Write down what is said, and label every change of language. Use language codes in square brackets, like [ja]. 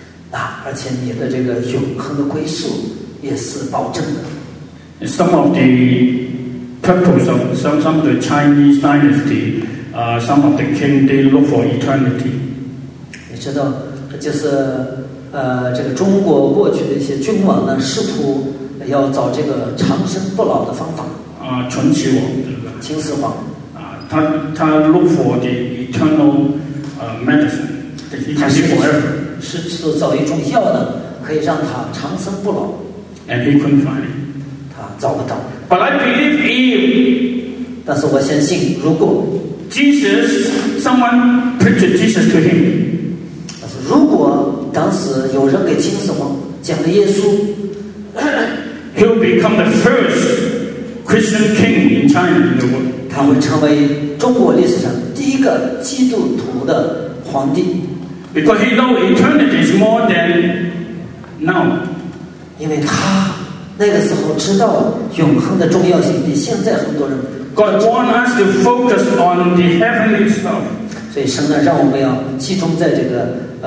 [zh] 啊，而且你的这个永恒的归宿也是保证的。 [en] Some of the purpose of some of the Chinese dynasty, some of the king, they look for eternity. [zh] 你知道就是这个中国过去的一些君王呢，试图要找这个长生不老的方法。啊，秦始皇对吧？秦始皇。啊，他 [en] look for the eternal medicine， [zh] 他想去 forever， 试图找一种药呢，可以让他长生不老。 [en] And he couldn't find it。 [zh] 他找不到。 [en] But I believe if， [zh] 但是我相信，如果 [en] Jesus， someone preached Jesus to him。 [zh] 如果当时有人给秦始皇讲了耶稣 [en] ，He'll become the first Christian king in China in the world。 [zh] 他会成为中国历史上第一个基督徒的皇帝。 [en] Because he knows eternity is more than now。 [zh] 因为他那个时候知道永恒的重要性比现在很多人。 [en] God wants us to focus on the heavenly stuff。 [zh] 所以神呢，让我们要集中在这个。